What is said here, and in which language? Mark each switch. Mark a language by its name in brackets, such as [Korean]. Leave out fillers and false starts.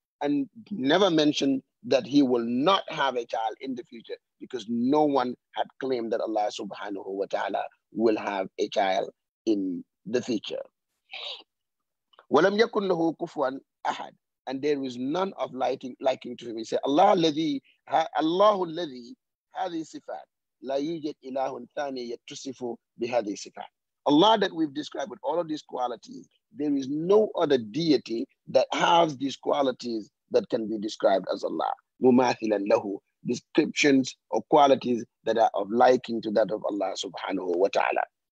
[English] And never mentioned that he will not have a child in the future, because no one had claimed that Allah subhanahu wa ta'ala will have a child in the future. [Arabic] وَلَمْ يَكُنْ لَهُ كُفُوًا أَحَدٍ. [English] And there is none of liking to him. He said, [Arabic] Allahu الَّذِي هَذِي صِفَاتٍ لَا يُوجَدْ إِلَهٌ ثَانِي يَتُصِفُ بِهَذِي صِفَاتٍ. [English] Allah that we've described with all of these qualities, there is no other deity that has these qualities that can be described as Allah. [Arabic] مُمَاثِلًا لَهُ. [English] Descriptions or qualities that are of liking to that of Allah subhanahu wa ta'ala.